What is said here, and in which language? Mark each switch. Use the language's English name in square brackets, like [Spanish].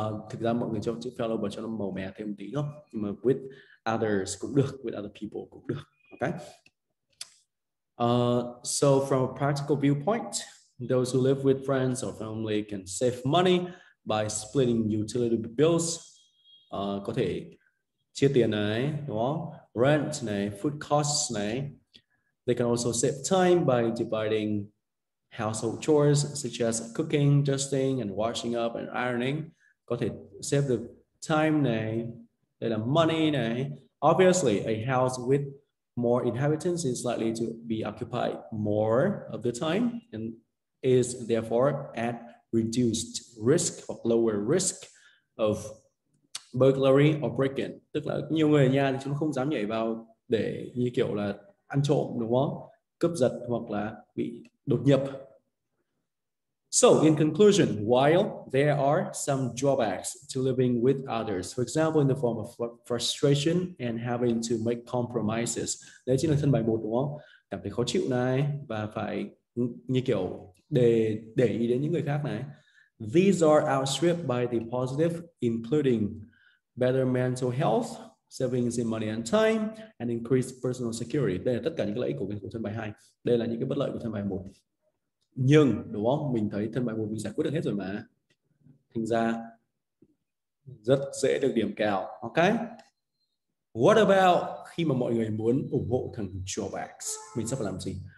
[Vietnamese] Thực ra mọi người cho chữ fellow vào cho nó màu mè thêm tí đó, nhưng mà [English] with others [Vietnamese] cũng được, [English] with other people [Vietnamese] cũng được. Okay. [English] So from a practical viewpoint, those who live with friends or family can save money by splitting utility bills. [Vietnamese] Có thể chia tiền này, đúng không? Rent này, food costs này. [English] They can also save time by dividing household chores such as cooking, dusting and washing up and ironing. [Vietnamese] Có thể [English] save the time [Vietnamese] này, đây là money này. [English] Obviously, a house with more inhabitants is likely to be occupied more of the time and is therefore at reduced risk or lower risk of burglary or break-in. [Vietnamese] Tức là nhiều người ở nhà thì chúng không dám nhảy vào để như kiểu là ăn trộm đúng không? Cướp giật hoặc là bị đột nhập. [English] So, in conclusion, while there are some drawbacks to living with others, for example, in the form of frustration and having to make compromises. [Vietnamese] Đấy chính là thân bài 1 đúng không? Cảm thấy khó chịu này và phải như kiểu để ý đến những người khác này. [English] These are outstripped by the positive, including better mental health, savings in money and time, and increased personal security. [Vietnamese] Đây là tất cả những cái lợi ích của thân bài 2. Đây là những cái bất lợi của thân bài 1. Nhưng, đúng không? Mình thấy thân bài 1 mình giải quyết được hết rồi mà. Thành ra, rất dễ được điểm cao. Ok? [English] What about [Vietnamese] khi mà mọi người muốn ủng hộ thằng drawbacks? Mình sẽ phải làm gì?